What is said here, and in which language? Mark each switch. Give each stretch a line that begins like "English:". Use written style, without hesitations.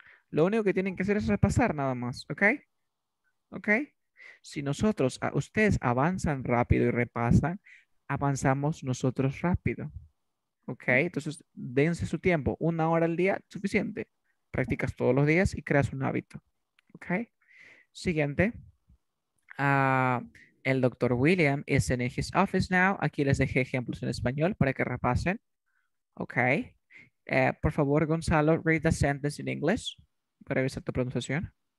Spanish: Lo único que tienen que hacer es repasar nada más, ¿ok? ¿Ok? Si nosotros, ustedes avanzan rápido y repasan, avanzamos nosotros rápido, ¿ok? Entonces, dense su tiempo, una hora al día, suficiente. Practicas todos los días y creas un hábito, ¿ok? Siguiente.
English: El doctor William is in his office now.
Spanish: Aquí les dejé ejemplos en español para que repasen, ¿ok? Por favor, Gonzalo,
English: read the sentence in English.
Spanish: Para revisar tu pronunciación.